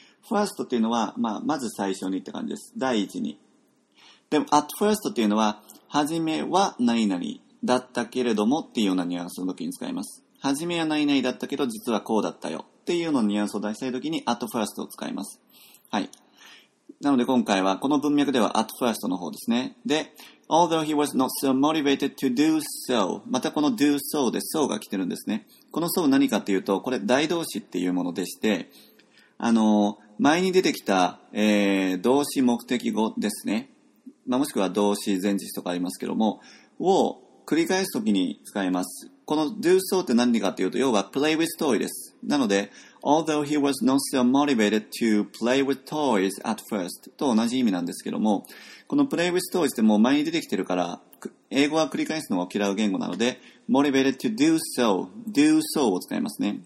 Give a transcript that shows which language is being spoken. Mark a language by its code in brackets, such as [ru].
[ja] first っていうのは、まず最初にって感じです。第一に。でも at first っていうのは、はじめは何々。だったけれどもっていうようなニュアンスの時に使います。はじめはないないだったけど、実はこうだったよっていうのニュアンスを出したい時に at first を使います。はい。なので今回はこの文脈では at first の方ですね。で、 [en] although he was not so motivated to do so。 [ja] またこの do so で so が来てるんですね。この so 何かっていうと、これ代動詞っていうものでして、前に出てきた、動詞目的語ですね。もしくは動詞前置詞とかありますけども、を繰り返すときに使います。この do so って何かっていうと、要は play with toy です。なので、 [en] although he was not so motivated to play with toys at first [ja] と同じ意味なんですけども、この play with toys ってもう前に出てきてるから、英語は繰り返すのを嫌う言語なので、motivated to do so、do so を使いますね。